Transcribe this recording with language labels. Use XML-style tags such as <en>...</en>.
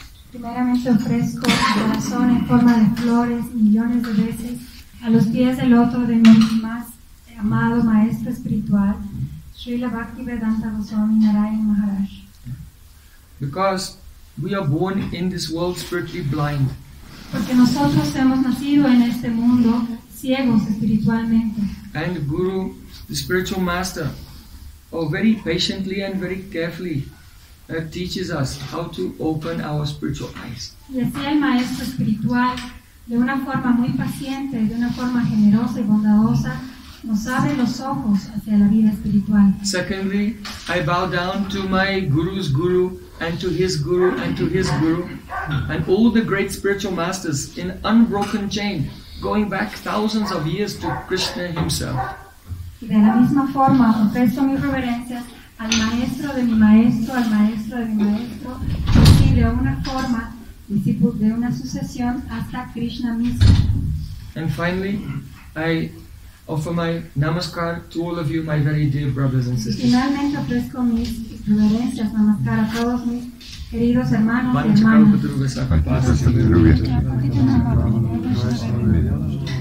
<es>Primeramente ofrezco mi corazón en forma de flores millones de veces a los pies del otro de mi más amado maestro espiritual, Srila Bhakti Vedanta Goswami Narayan Maharaj.</es> <en>Because we are born in this world spiritually blind.</en> <es>Porque nosotros hemos nacido en este mundo ciegos espiritualmente.</es> <en>And Guru, the spiritual master, very patiently and very carefully teaches us how to open our spiritual eyes.</en> <es>Y así el maestro espiritual, de una forma muy paciente, de una forma generosa y bondadosa, nos abre los ojos hacia la vida espiritual.</es> <en>Secondly, I bow down to my Guru's Guru, and to his guru, and to his guru, and all the great spiritual masters in unbroken chain, going back thousands of years to Krishna himself.</en> <es>Y de la misma forma, ofrezco mis reverencias al maestro de mi maestro, al maestro de mi maestro, y de una forma, de una sucesión hasta Krishna mismo.</es> <en>And finally, I offer my namaskar to all of you, my very dear brothers and sisters.</en> <es>Finalmente ofrezco mis reverencias, namaskar a todos mis queridos hermanos y hermanas.</es>